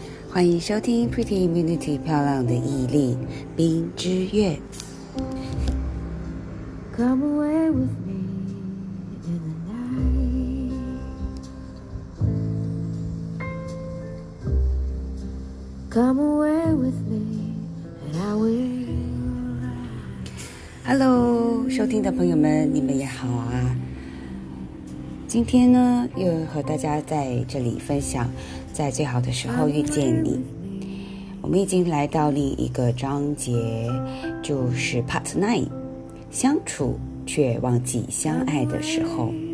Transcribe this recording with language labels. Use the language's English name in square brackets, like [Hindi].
[Chinese] 欢迎收听 Pretty Immunity 漂亮的毅力冰之月。 [English] Come away with me in the night. Come away with me and I will. [Chinese] Hello, 收听的朋友们，你们也好啊。今天呢，又和大家在这里分享在最好的时候遇见你。我们已经来到另一个章节，就是 Part 9， 相处却忘记相爱的时候。